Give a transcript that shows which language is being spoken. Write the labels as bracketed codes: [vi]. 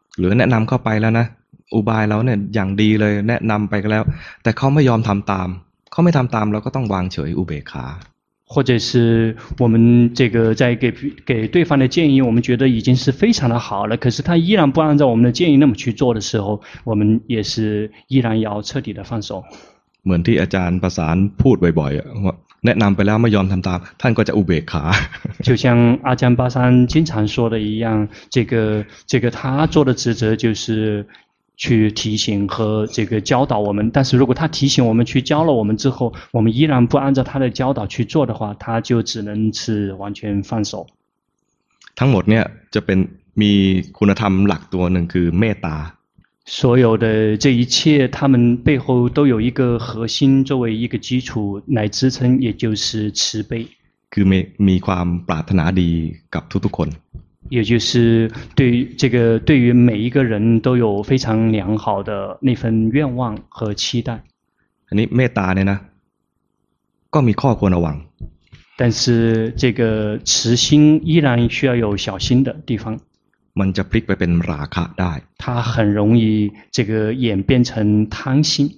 [th] หรือแนะนำเข้าไปแล้วนะอุบายเราเนี่ยอย่างดีเลยแนะนำไปก็แล้วแต่เขาไม่ยอมทำตามเขาไม่ทำตามเราก็ต้องวางเฉยอุเบกขา [zh] 或者是我们这个在给对方的建议我们觉得已经是非常的好了可是他依然不按照我们的建议那么去做的时候我们也是依然要彻底的放手 [th] เหมือนที่อาจารย์ประสานพูดบ่อยๆแนะนำไปแล้วไม่ยอมทำตามท่านก็จะอุเบกขา [zh] 就像阿江巴山经常说的一样这个他做的职责就是去提醒和这个教导我们，但是如果他提醒我们去教了我们之后，我们依然不按照他的教导去做的话，他就只能是完全放手。 [th] ทั้งหมดเนี่ยจะเป็นมีคุณธรรมหลักตัวหนึ่งคือเมตตา [zh] 所有的这一切，他们背后都有一个核心作为一个基础来支撑，也就是慈悲。 [th] คือมีความปรารถนาดีกับทุกๆคน [zh] 也就是对于这个对于每一个人都有非常良好的那份愿望和期待 [th] อันนี้เมตตาเนี่ยนะก็มีข้อควรระวัง [zh] 但是这个慈心依然需要有小心的地方 [th] มันจะพลิกไปเป็นราคะได้ [zh] 它很容易这个演变成贪心